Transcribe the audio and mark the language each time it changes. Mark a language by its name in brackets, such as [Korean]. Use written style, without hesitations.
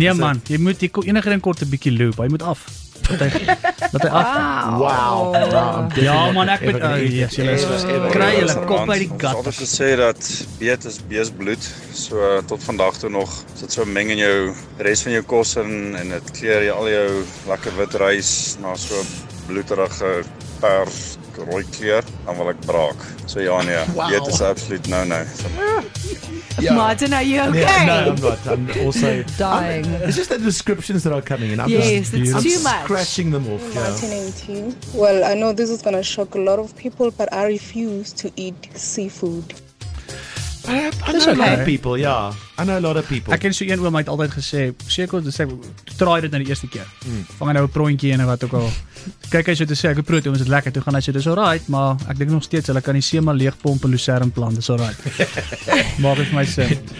[Afrikaans] Nee man, jy moet die enige ding kort 'n bietjie loop, hy moet af. Wat hy af. Wow. Ja, man, ek moet kry julle kop uit die gat. Ons het gesê dat beet is beesbloed, so tot vandag toe nog is dit so meng in jou res van jou kos en dit kleur jy al jou lekker wit rys na so bloederige pers rooi kleur, dan wil ek braak. So ja, nee, beet is absoluut no-no. [English] Yeah. Martin, are you okay? Yeah, no, I'm not. I'm also dying. It's just the descriptions that are coming in. I'm just scratching them off. Yeah. Martin and team. Well, I know this is going to shock a lot of people, but I refuse to eat seafood. I know a lot of people, yeah. I know a lot of people. [Afrikaans] Ek ken so een oom, hy het altyd gesê, try dit nou die eerste keer. Mm. Vang hy nou 'n prontjie en wat ook al. Kyk hy so te sê, ek het proe, toen is dit lekker. Toe gaan hy sê, dis alright, maar ek dink nog steeds, hulle kan die see maar leegpomp en lucerne plant, dis alright. Maak het my sin.